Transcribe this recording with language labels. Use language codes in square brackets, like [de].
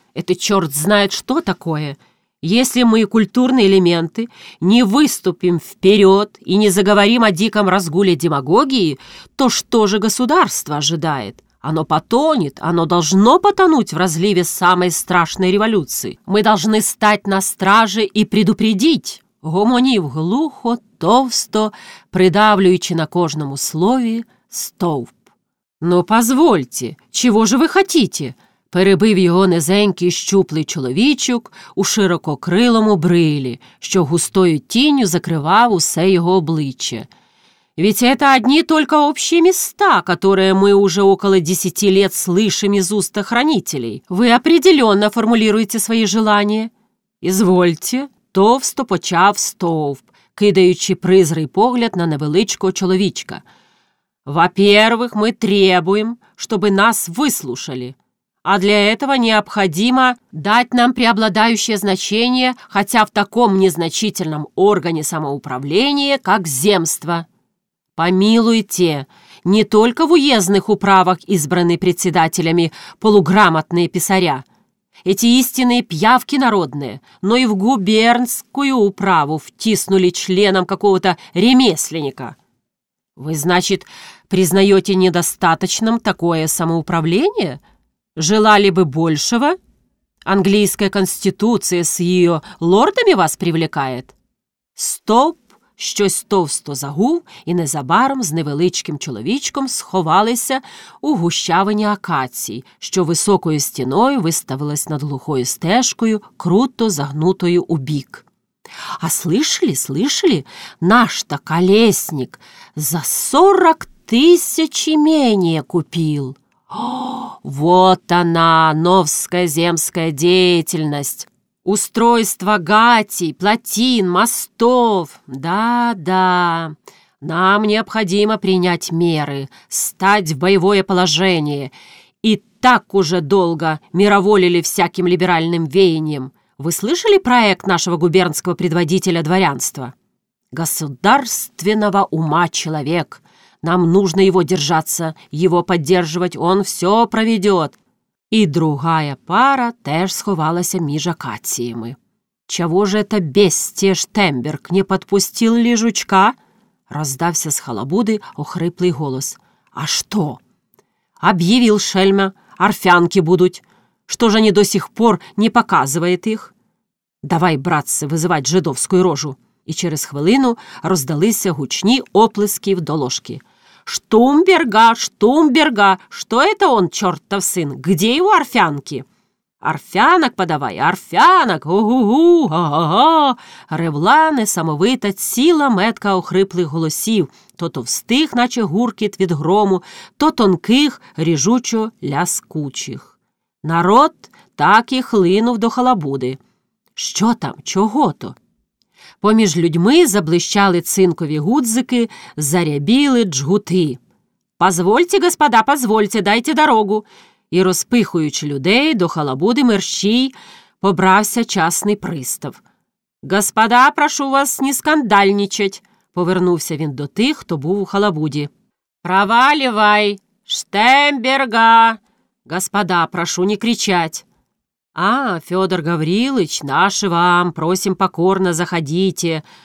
[ru] Это черт знает что такое. Если мы, культурные элементы, не выступим вперед и не заговорим о диком разгуле демагогии, то что же государство ожидает? Оно потонет, оно должно потонуть в разливе самой страшной революции. Мы должны стать на страже и предупредить. [uk] Гомонів глухо, товсто, придавлюючи на кожному слові стовп. [ru] «Ну, позвольте, чего же вы хотите?» [uk] Перебив його низенький щуплий чоловічок у ширококрилому брилі, що густою тінню закривав усе його обличчя. [ru] «Ведь это одни только общие места, которые мы уже около 10 лет слышим из уст охранителей. Вы определенно формулируете свои желания?» «Извольте!» [uk] Товсто почав стовп, кидаючи призрий погляд на невеличкого чоловічка. [ru] «Во-первых, мы требуем, чтобы нас выслушали. А для этого необходимо дать нам преобладающее значение, хотя в таком незначительном органе самоуправления, как земство. Помилуйте, не только в уездных управах избраны председателями полуграмотные писаря. Эти истинные пьявки народные, но и в губернскую управу втиснули членом какого-то ремесленника. Вы, значит, признаете недостаточным такое самоуправление? Желали бы большего? Английская конституция с ее лордами вас привлекает? Стоп! [uk] Щось товсто загув, і незабаром з невеличким чоловічком сховалися у гущавині акацій, що високою стіною виставилась над глухою стежкою, круто загнутою у бік. [ru] А слышали, слышали, наш-то колесник за 40 000 імення купил. О, вот она, новская земская деятельность! Устройство гатей, плотин, мостов. Да-да, нам необходимо принять меры, стать в боевое положение. И так уже долго мироволили всяким либеральным веянием. Вы слышали проект нашего губернского предводителя дворянства? Государственного ума человек. Нам нужно его держаться, его поддерживать, он все проведет. [uk] И другая пара теж сховалася між акаціями. [ru] «Чего же это бестия Штемберг не подпустил Лежучка?» Раздався с халабуды охриплый голос. «А что?» «Объявил шельма, орфянки будут. Что же они до сих пор не показывает их?» «Давай, братцы, вызывать жидовскую рожу!» [uk] И через хвилину раздалися гучні оплески в доложки. [ru] «Штумберга, Штумберга! Что это он, чертов сын? Где его орфянки?» «Орфянок подавай, орфянок! Угу-гу! Га-га-га!» [uk] Ревла несамовита ціла метка охриплих голосів, то товстих, наче гуркіт від грому, то тонких, ріжучо-ляскучих. Народ так і хлинув до халабуди. «Що там? Чого-то?» Поміж людьми заблищали цинкові гудзики, зарябіли джгути. [ru] «Позвольте, господа, позвольте, дайте дорогу!» [uk] І розпихуючи людей до халабуди мерщій, побрався часний пристав. [ru] «Господа, прошу вас не скандальничать!» [uk] – повернувся він до тих, хто був у халабуді. [ru] «Провалівай! Штемберга! Господа, прошу не кричать!» «А, Федор Гаврилович, наши вам, просим покорно, заходите.